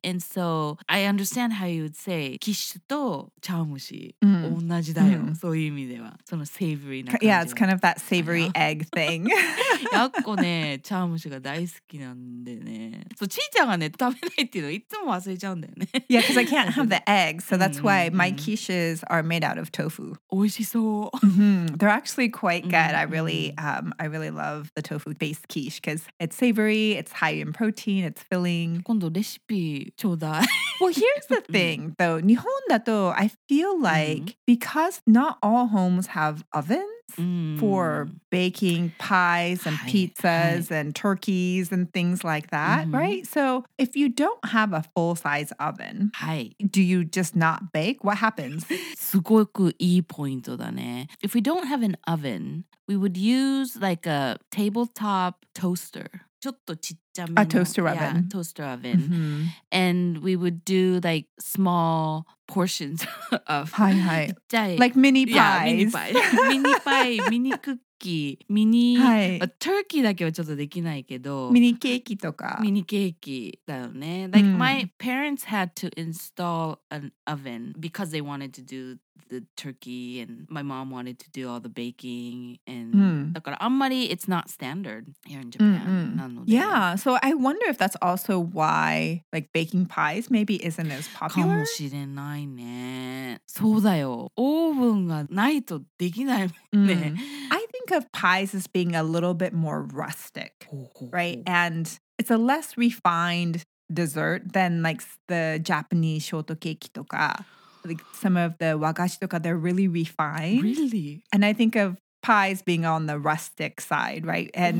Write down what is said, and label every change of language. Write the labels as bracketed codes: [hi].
[en] And so, I understand how you would say quiche [ja] と茶蒸し同じだよ。そういう意味では。その savory な感じ。 [en] Yeah, it's kind of that savory egg thing. [ja] やっこね、茶蒸しが大好きなんでね。そう、ちーちゃんがね、食べないっていうのいつも忘れちゃうんだよね。 [en] Yeah, because I can't have the egg, so that's why my quiches are made out of tofu. [ja] 美味しそう。 [en] They're actually quite good. Mm-hmm. I really love the tofu based quiche because it's savory, it's high in protein, it's filling. [ja] 今度レシピちょうだい。 [en] Well, here's the thing though. [ja] 日本だと [en] I feel like because not all homes have ovens,for baking pies and pizzas and turkeys and things like that, right? So if you don't have a full-size oven, do you just not bake? What happens? [ja] すごくいいポイントだね。 [en] If we don't have an oven, we would use like a tabletop toaster. [ja] ちょっとちっちゃめの [en] A toaster oven. Yeah, toaster oven. Mm-hmm. And we would do like small portions of [ja] はいはい。ちっちゃい。 [en] Like mini pies. Yeah, mini pie. mini pie, mini cookie, mini...、 [ja] はい、 a turkey だけはちょっとできないけど。 Mini ケーキとか。 Mini ケーキだよね。 [en] Like、mm. my parents had to install an oven because they wanted to do the turkey and my mom wanted to do all the baking. And、 mm. [ja] だからあんまり [en] it's not standard here in Japan.、Mm-hmm. Yeah, so I wonder if that's also why like baking pies maybe isn't as popular. [ja] かもしれないね。そうだよ。オーブンがないとできないもんね。 [en] I think of pies as being a little bit more rustic, right? And it's a less refined dessert than like the Japanese shortcake とか. Like some of the wagashi とか, they're really refined. Really? And I think of... pies being on the rustic side, right? And